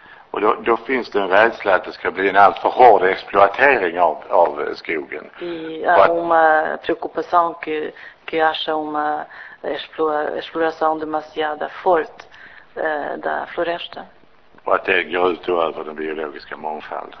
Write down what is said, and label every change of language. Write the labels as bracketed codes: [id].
[sv] Och då finns det en rädsla att det ska bli en alltför hård exploatering av skogen. [pt] Há uma preocupação que acha uma exploração demasiado forte da floresta. [sv] Och att det går ut över den biologiska mångfalden.